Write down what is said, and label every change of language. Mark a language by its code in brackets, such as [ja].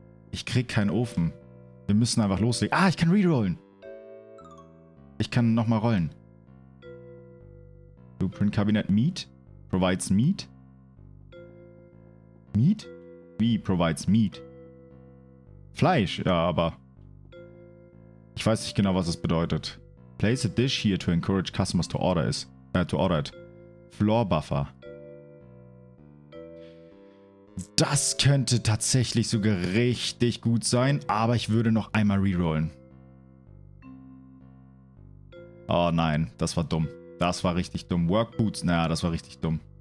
[de] Ich krieg keinen Ofen. Wir müssen einfach loslegen. Ah, ich kann rerollen. Ich kann nochmal rollen. [en] Blueprint Cabinet Meat. Provides Meat. [de] Meat? Wie [en] provides Meat? [de] Fleisch, ja, aber... Ich weiß nicht genau, was es bedeutet. [en] Place a dish here to encourage customers to order it. Floor Buffer. [de] Das könnte tatsächlich sogar richtig gut sein, aber ich würde noch einmal rerollen. Oh nein, das war dumm. Das war richtig dumm. Work Boots, naja, das war richtig dumm.